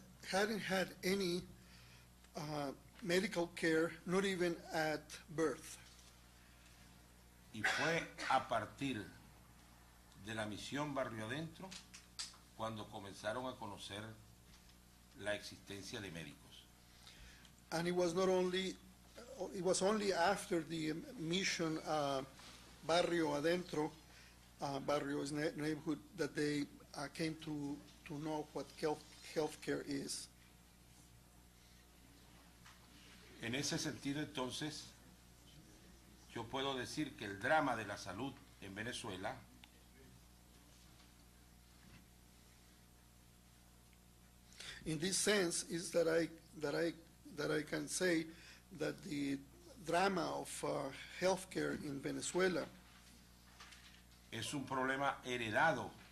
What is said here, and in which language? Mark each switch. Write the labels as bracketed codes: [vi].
[en] Hadn't had any medical care, not even at birth. [es] Y fue a partir de la misión Barrio Adentro cuando comenzaron a conocer la existencia de médicos. [en] And it was only after the mission Barrio Adentro, Barrio is neighborhood, that they came to know what health care is. [es] En ese sentido, entonces, yo puedo decir que el drama de la salud en Venezuela [en] in this sense is that I can say that the drama of healthcare in Venezuela [es] es un problema heredado.